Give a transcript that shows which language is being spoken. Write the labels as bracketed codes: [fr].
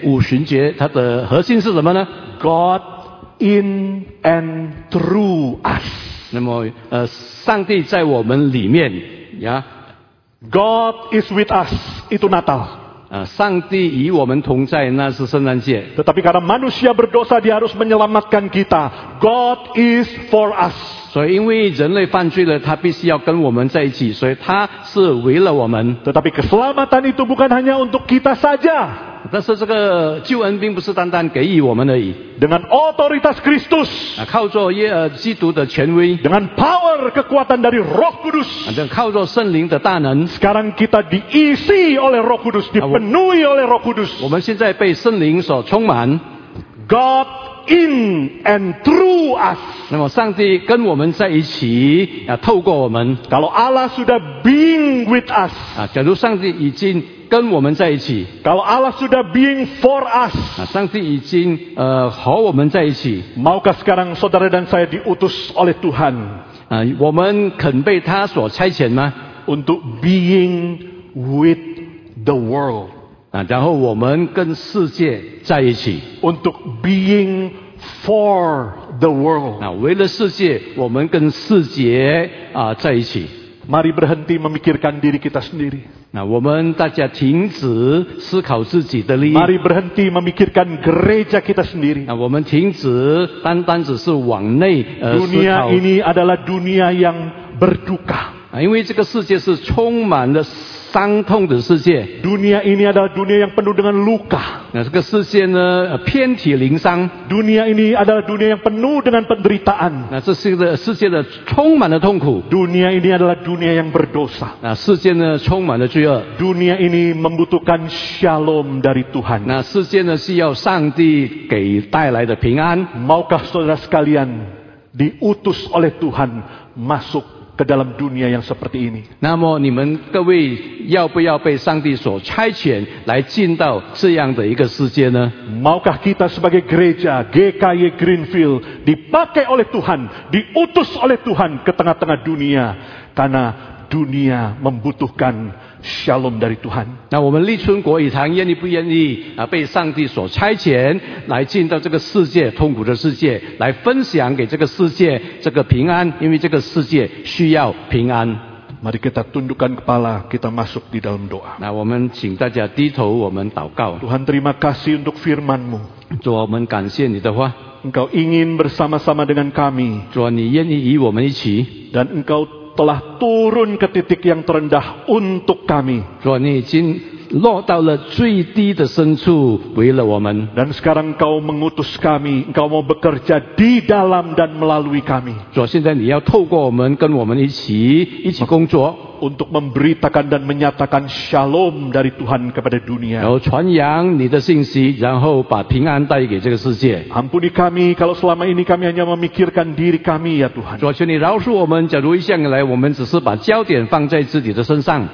[zh] 那么这个圣灵降临节50节它的核心是什么呢? [en] God in and through us. [zh] 那么，上帝在我们里面， yeah. [en] God is with us. [id] Itu Natal. [zh] 上帝与我们同在，那是圣诞节. [id] Tetapi karena manusia berdosa, dia harus menyelamatkan kita. [en] God is for us. [zh] 所以因为人类犯罪了，他必须要跟我们在一起，所以他是为了我们. [id] Tetapi keselamatan itu bukan hanya untuk kita saja. [zh] 但是这个救恩并不是单单给予我们而已. [id] Dengan otoritas Kristus, [zh] 靠着基督的权威, [id] dengan power kekuatan dari Roh Kudus, [zh] 靠着圣灵的大能, [id] sekarang kita diisi oleh Roh Kudus, dipenuhi oleh Roh Kudus. [zh] 我们现在被圣灵所充满. [en] God in and through us. [zh] 那么上帝跟我们在一起, 透过我们. [id] Kalau Allah sudah [en] being with us, [zh] 假如上帝已经 跟我们在一起. [id] Kalau Allah sudah [en] being for us, [zh] 上帝已经和我们在一起. [id] Maukah sekarang saudara dan saya diutus oleh Tuhan? [zh] 我们肯被他所差遣吗？ [en] Untuk being with the world. [zh] 然后我们跟世界在一起。 [en] Untuk being for the world. [zh] 为了世界，我们跟世界在一起。 [id] Mari berhenti memikirkan diri kita sendiri. [zh] 我们大家停止思考自己的利益。 [id] Mari berhenti memikirkan gereja kita sendiri. [zh] 我们停止单单只是往内思考。 [id] Dunia ini adalah dunia yang berduka. [zh] 因为这个世界是充满了伤痛的世界。 [id] Dunia ini adalah dunia yang penuh dengan luka. [zh] 这个世界呢，遍体鳞伤。 [id] Dunia ini adalah dunia yang penuh dengan penderitaan. [zh] 这世界呢，充满了痛苦。 [id] Dunia ini adalah dunia yang berdosa. [zh] 世界呢，充满了罪恶。 [id] Dunia ini membutuhkan shalom dari Tuhan. [zh] 世界呢，需要上帝给带来的平安。 [id] Maukah saudara sekalian diutus oleh Tuhan masuk? ke dalam dunia yang seperti ini. [zh] 那么你们各位要不要被上帝所差遣来进到这样的一个世界呢？ [id] Maukah kita sebagai gereja GKY Greenfield dipakai oleh Tuhan, diutus oleh Tuhan ke tengah-tengah dunia karena dunia membutuhkan shalom dari Tuhan. [zh] 那我们立春国语堂愿意不愿意被上帝所差遣来进到这个世界，痛苦的世界，来分享给这个世界这个平安，因为这个世界需要平安。 [id] Mari kita tundukkan kepala, kita masuk di dalam doa. [zh] 那我们请大家低头，我们祷告。 [id] Tuhan, terima kasih untuk firman-Mu. [zh] 主，我们感谢你的话。 [id] Engkau ingin bersama-sama dengan kami. [zh] 主，你愿意与我们一起。 [id] Dan engkau telah turun ke titik yang terendah untuk kami. [zh] 主，你已经落到了最低的深处为了我们。 [id] Dan sekarang kau mengutus kami, engkau mau bekerja di dalam dan melalui kami. [zh] 主，现在你要透过我们跟我们一起工作。 [id] Untuk memberitakan dan menyatakan shalom dari Tuhan kepada dunia. [zh] 然后传扬你的信息，然后把平安带给这个世界。 [id] Ampuni kami kalau selama ini kami hanya memikirkan diri kami, ya Tuhan. [zh] 主，求你饶恕我们，假如一向以来我们只是把焦点放在自己的身上。